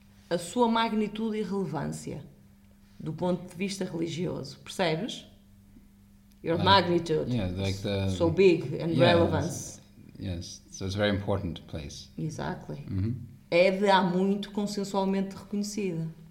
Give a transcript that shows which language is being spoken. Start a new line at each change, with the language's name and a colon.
Portuguese: A sua magnitude e relevância do ponto de vista religioso, percebes?
English: Your magnitude. Yeah, like the, so big and relevance. Yes, so it's a very important place. Exactly. Mm-hmm.
Portuguese: É de há muito consensualmente reconhecida.